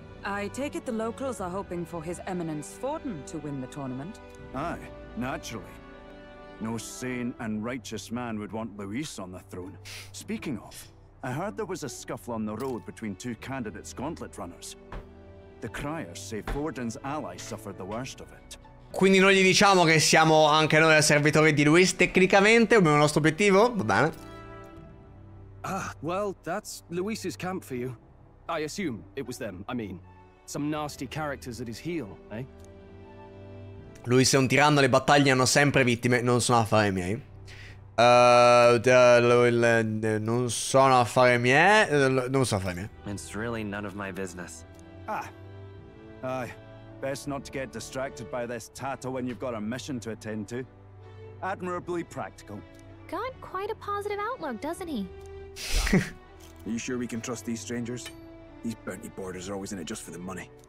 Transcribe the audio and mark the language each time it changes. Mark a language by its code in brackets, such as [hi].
[en] I take it the locals are hoping for His Eminence Forden to win the tournament. Aye, naturally. No sane and righteous man would want Luis on the throne. Speaking of, I heard there was a scuffle on the road between two candidates' gauntlet runners. The criers say Forden's ally suffered the worst of it. [it] Quindi noi gli diciamo che siamo anche noi servitori di Luis tecnicamente, come il nostro obiettivo? Va bene. [en] Ah, well, that's Luis's camp for you. I assume it was them, I mean. Some nasty characters at his heel, eh? [it] Luis è un tiranno, le battaglie hanno sempre vittime, non sono affari miei. Non sono affari miei, non sono affari miei. [en] It's really none of my business. Ah, ah. Best not to get distracted by this tattoo when you've got a mission to attend to. Admirably practical. Got quite a positive outlook, doesn't he? Are you sure we can trust these strangers? These bounty boarders are always in it just for the money.